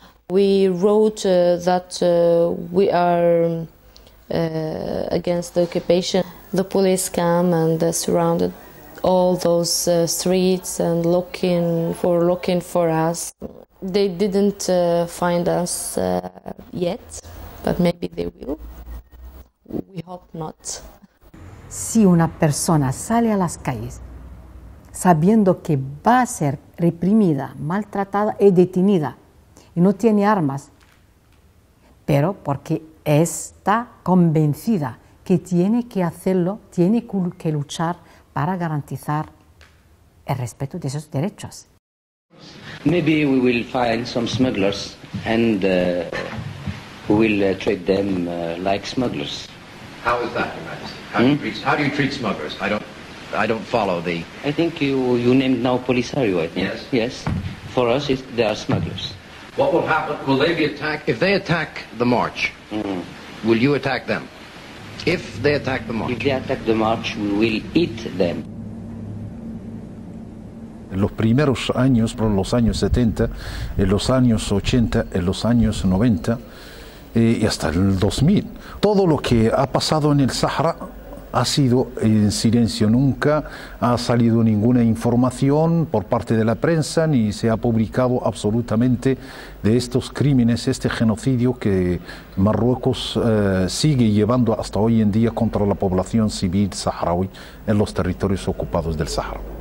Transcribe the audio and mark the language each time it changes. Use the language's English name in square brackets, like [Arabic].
[English] We wrote that we are against the occupation. The police came and surrounded all those streets and looking for us. They didn't find us yet, but maybe they will. We hope not. [Spanish] Si una persona sale a las calles sabiendo que va a ser reprimida, maltratada y detenida, y no tiene armas, pero porque está convencida que tiene que hacerlo, tiene que luchar para garantizar el respeto de esos derechos. [English] Maybe we will find some smugglers and we will treat them like smugglers. How is that, Your Majesty? How do you treat smugglers? I don't follow the. I think you named now Polisario. I think yes. For us, they are smugglers. What will happen? Will they be attacked? If they attack the march, will you attack them? If they attack the march. If they attack the march, we will eat them. [Spanish] En los primeros años, por los años 70, en los años 80, en los años 90, y hasta el 2000, todo lo que ha pasado en el Sahara ha sido en silencio. Nunca ha salido ninguna información por parte de la prensa, ni se ha publicado absolutamente de estos crímenes, este genocidio que Marruecos sigue llevando hasta hoy en día contra la población civil saharaui en los territorios ocupados del Sahara.